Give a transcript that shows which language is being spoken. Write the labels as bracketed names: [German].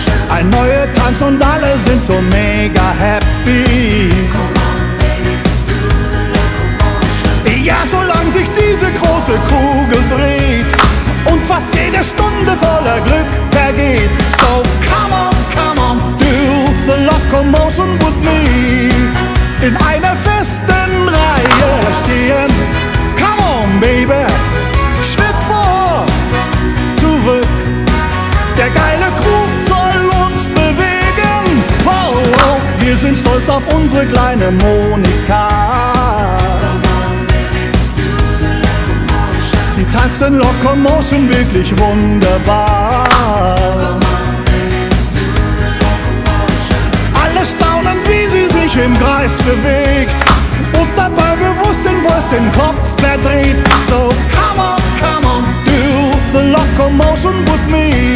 [German] Ein neuer Tanz und alle sind so mega happy. Ja, solange sich diese große Kugel dreht und fast jede Stunde voller Glück vergeht. [English] So come on, come on, do the locomotion with me. [German] In einer festen Reihe stehen. [English] Come on, baby, [German] Schritt vor, zurück. Der geile Groove soll uns bewegen. Wow, oh, oh, wir sind stolz auf unsere kleine Monika. Sie tanzt in Locomotion wirklich wunderbar. Alle staunen, wie sie sich im Kreis bewegt und dabei bewusst den Puls den Kopf verdreht. [English] So come on, come on, do the locomotion with me.